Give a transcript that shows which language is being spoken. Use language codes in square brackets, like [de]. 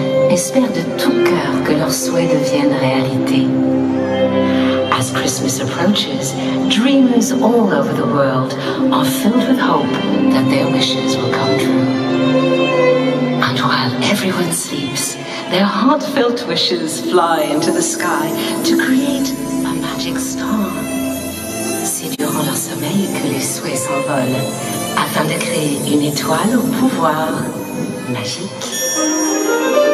[fr] Espèrent de tout cœur que leurs souhaits deviennent réalité. [en] As Christmas approaches, dreamers all over the world are filled with hope that their wishes will come true. And while everyone sleeps, their heartfelt wishes fly into the sky to create a magic star. [fr] C'est durant leur sommeil que les souhaits s'envolent afin de créer une étoile au pouvoir magique.